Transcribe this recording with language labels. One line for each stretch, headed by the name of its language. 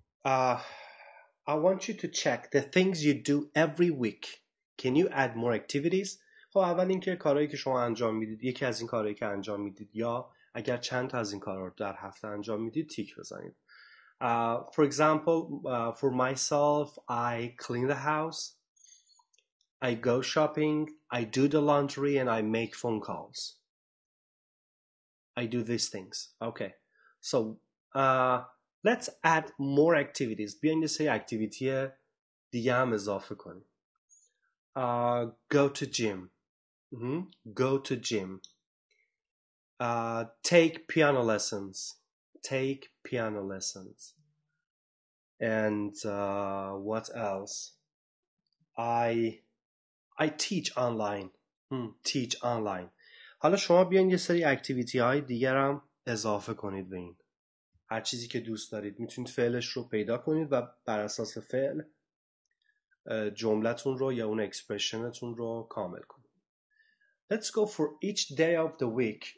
English: I want you to check the things you do every week. Can you add more activities?
Persian: خب اول اینکه کارهایی که شما انجام میدید، یکی از این کارهایی که انجام میدید یا اگر چند تا از این کارها رو در هفته انجام میدید تیک بزنید.
English: For example, for myself, I clean the house, I go shopping, I do the laundry and I make phone calls. I do these things. Okay. So, let's add more activities.
Persian: بیاین یه سری اکتیویتی دیگه هم اضافه کنیم.
English: Go to gym. Go to gym. Take piano lessons. Take piano lessons. And what else? I teach online. Teach online.
Persian: حالا شما بیاین یه سری اکتیویتی های دیگر هم اضافه کنید به این. هر چیزی که دوست دارید میتونید فعلش رو پیدا کنید و بر اساس فعل جملتون رو یا اون اکسپرشنتون رو کامل کنید.
English: Let's go for each day of the week.